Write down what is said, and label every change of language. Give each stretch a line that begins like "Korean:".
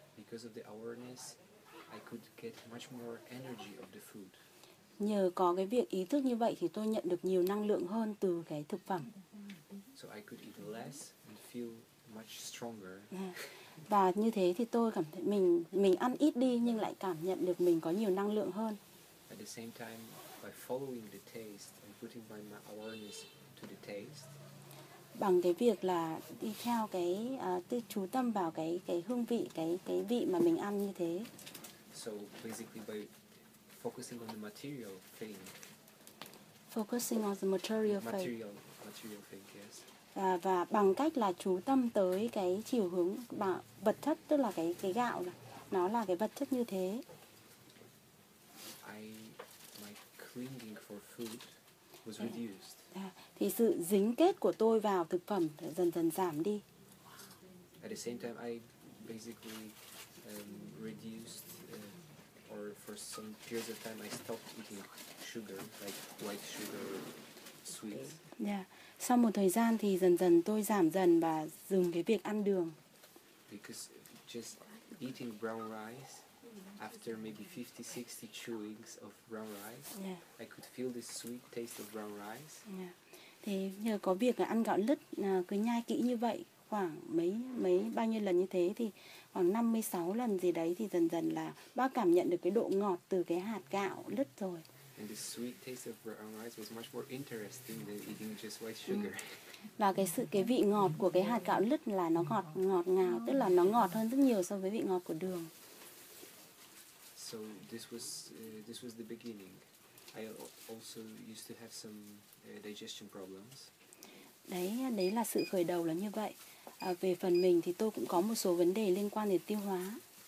English: Because of the awareness, I could get much more energy of the food.
Vietnamese: Nhờ có cái việc ý thức như vậy thì tôi nhận được nhiều năng lượng hơn từ cái thực phẩm.
English: So I could eat less and feel much stronger.
Vietnamese: Và như thế thì tôi cảm thấy mình ăn ít đi nhưng lại cảm nhận được mình có nhiều năng lượng hơn.
English: At the same time, by following the taste and putting my awareness to the taste.
Vietnamese: Bằng cái việc là đi theo cái chú tâm vào cái hương vị, cái vị mà mình ăn như thế.
English: So basically by focusing on the material thing. Focusing on the material thing. Material thing, yes.
Vietnamese: Và bằng cách là chú tâm tới cái chiều hướng vật chất, tức là cái gạo, nó là cái vật chất như thế.
English: My clinging for food was reduced.
Vietnamese: Thì sự dính kết của tôi vào thực phẩm dần dần giảm đi.
English: At the same time, I basically reduced, or for some periods of time, I stopped eating sugar, like white sugar, sweets. Yeah.
Vietnamese: Sau một thời gian thì dần dần tôi giảm dần và dừng cái việc ăn đường.
English: Because just eating brown rice, after maybe 50-60 chewings of brown rice, I could feel the sweet taste of brown rice. Yeah.
Vietnamese: Thế nhờ có việc là ăn gạo lứt cứ nhai kỹ như vậy khoảng mấy bao nhiêu lần như thế thì khoảng 56 lần gì đấy thì dần dần là bác cảm nhận được cái độ ngọt từ cái hạt gạo lứt rồi.
English: And the sweet taste of brown rice was much more interesting than eating just white sugar.
Vietnamese: Và cái vị ngọt của cái hạt gạo lứt là nó ngọt ngọt ngào, tức là nó ngọt hơn rất nhiều so với vị ngọt của đường.
English: So this was the beginning. I also used to have some digestion problems.
Vietnamese: Đấy là sự khởi đầu là như vậy. Về phần mình thì tôi cũng có một số vấn đề liên quan đến tiêu hóa.